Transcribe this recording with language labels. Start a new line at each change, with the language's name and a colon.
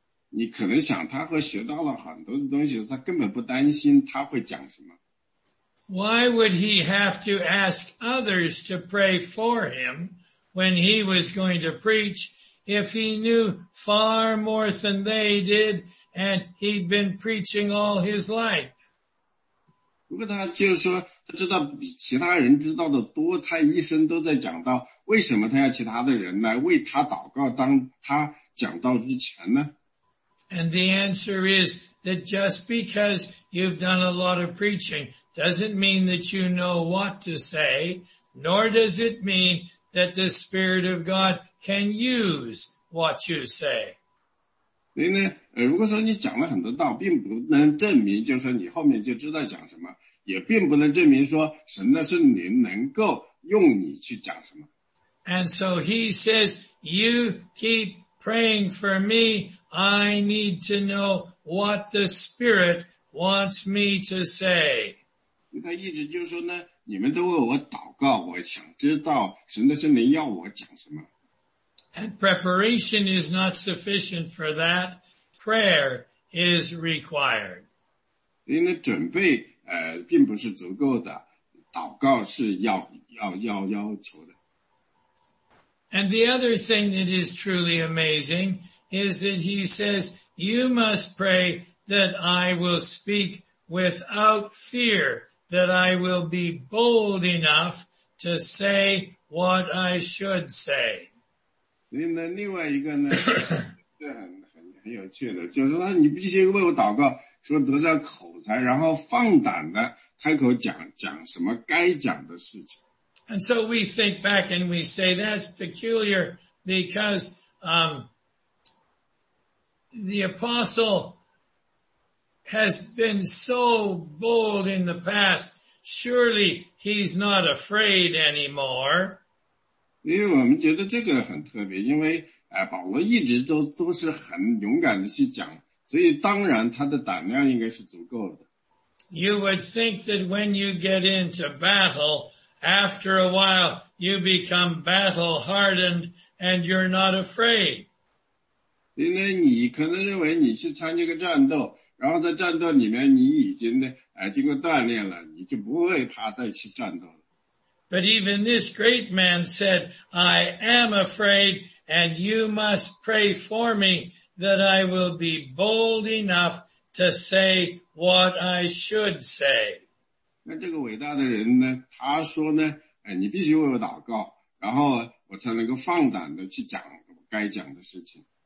Chinese: 你可能想他会学到了很多的东西，他根本不担心他会讲什么。
English: Why would he have to ask others to pray for him when he was going to preach if he knew far more than they did and he'd been preaching all his life?
Chinese: 如果他就是说他知道比其他人知道的多，他一生都在讲道，为什么他要其他的人来为他祷告当他讲道之前呢？
English: And the answer is that just because you've done a lot of preaching doesn't mean that you know what to say, nor does it mean that the Spirit of God can use what you say.
Chinese: 所以呢，如果说你讲了很多道，并不能证明就是说你后面就知道讲什么，也并不能证明说神的圣灵能够用你去讲什么。
English: And so he says, you keep praying for me, I need to know what the Spirit wants me to say.
Chinese: 他一直就说呢，你们都为我祷告，我想知道神的圣灵要我讲什么。
English: And preparation is not sufficient for that. Prayer is required.
Chinese: 因为准备并不是足够的，祷告是要求的。
English: And the other thing that is truly amazing is that he says, you must pray that I will speak without fear, that I will be bold enough to say what I should say.
Chinese: 另外一个呢，这很有趣的，就是说你必须为我祷告，说得到口才，然后放胆的开口讲什么该讲的事情。
English: And so we think back and we say that's peculiar because, the apostle has been so bold in the past, surely he's not afraid anymore.
Chinese: 因为我们觉得这个很特别，因为保罗一直都是很勇敢的去讲，所以当然他的胆量应该是足够的。
English: You would think that when you get into battle, after a while you become battle hardened and you're not afraid.
Chinese: 因为你可能认为你去参加个战斗，然后在战斗里面你已经经过锻炼了，你就不会怕再去战斗。
English: But even this great man said, I am afraid and you must pray for me that I will be bold enough to say what I should say.
Chinese: 那这个伟大的人呢，他说呢，你必须为我祷告，然后我才能够放胆的去讲该讲的事情。